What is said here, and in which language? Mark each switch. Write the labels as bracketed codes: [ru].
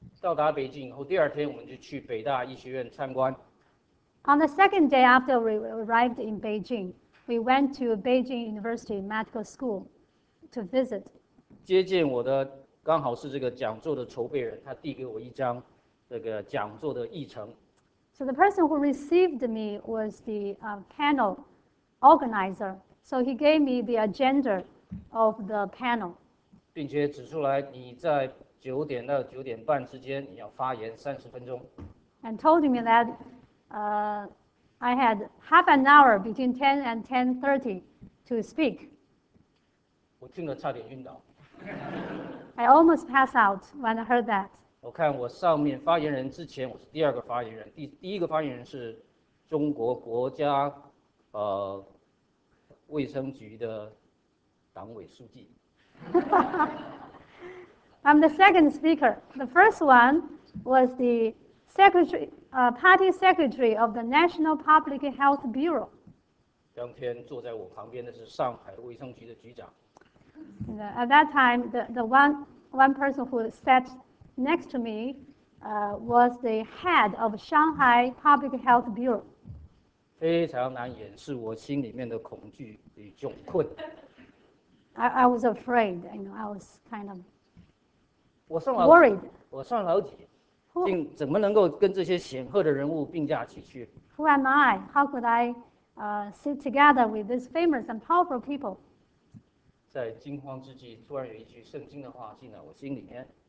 [zh] 到达北京以后，第二天我们就去北大医学院参观。 [en] On the second day after we arrived in Beijing, we went to Beijing University Medical School to visit. [zh] 接见我的刚好是这个讲座的筹备人，他递给我一张这个讲座的议程。 [en] So the person who received me was the panel organizer. So he gave me the agenda of the panel. [zh] 并且指出来你在九点到九点半之间你要发言三十分钟。 [en] And told me that I had half an hour between 10 and 10:30 to speak. [zh] 我听了差点晕倒。 [en] I almost passed out when I heard that. [zh] 我看我上面发言人之前，我是第二个发言人。第一个发言人是中国国家卫生局的党委书记。 [en] I'm the second speaker. The first one was the party secretary of the National Public Health Bureau. [zh] 当天坐在我旁边的是上海卫生局的局长。 [en] At that time, the one person who sat next to me was the head of Shanghai Public Health Bureau. [zh] 非常难掩饰我心里面的恐惧与窘困。 [en] I was afraid, you know, I was kind of worried. [zh] 我算老几？怎么能够跟这些显赫的人物并驾齐驱 [en] ？Who am I? How could I sit together with these famous and powerful people? [zh] 在惊慌之际，突然有一句圣经的话进了我心里面。